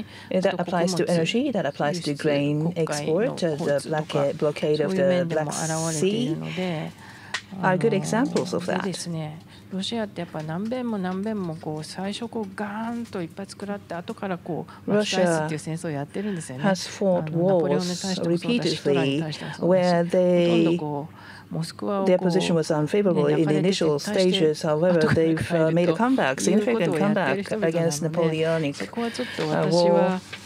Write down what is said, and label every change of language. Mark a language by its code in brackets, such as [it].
[en] That applies to energy, that applies to grain export, the blockade of the Black Sea are good examples of that. [ja] ロシアってやっぱ何遍も何遍もこう最初こうガーンといっぱい作らって後からこう巻き返すっていう戦争をやってるんですよね。ロシアはナポレオンに対してもそうだし、ヒトラーに対してもそうだし、どんどんこう。 [en] Their position was unfavorable in the initial stages. However, they've made a comeback, significant comeback against Napoleonic war.